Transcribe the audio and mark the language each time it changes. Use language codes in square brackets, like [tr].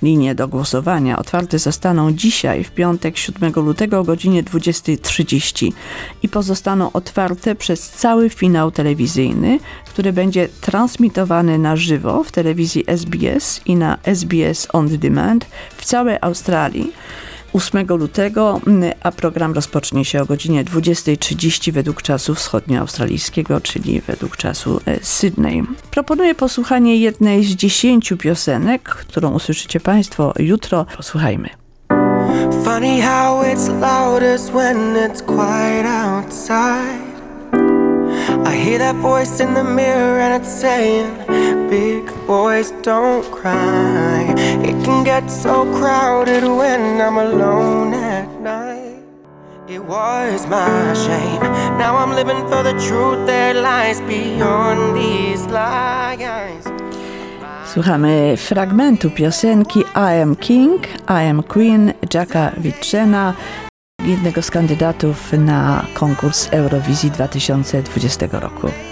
[pl] Linie do głosowania otwarte zostaną dzisiaj, w piątek 7 lutego o godzinie 20.30 i pozostaną otwarte przez cały finał telewizyjny, który będzie transmitowany na żywo w telewizji SBS i na SBS On Demand w całej Australii. 8 lutego, a program rozpocznie się o godzinie 20.30 według czasu wschodnioaustralijskiego, czyli według czasu Sydney. Proponuję posłuchanie jednej z 10 piosenek, którą usłyszycie Państwo jutro. Posłuchajmy. [en] Funny how it's loudest when it's quiet outside. I hear that voice in the mirror and it's saying, big boys don't cry. It can get so crowded when I'm alone at night. It was my shame. Now I'm living for the truth that lies beyond these lies. [pl] Słuchamy fragmentu piosenki I Am King, I Am Queen Jacka Vicena, jednego z kandydatów na konkurs Eurowizji 2020 roku.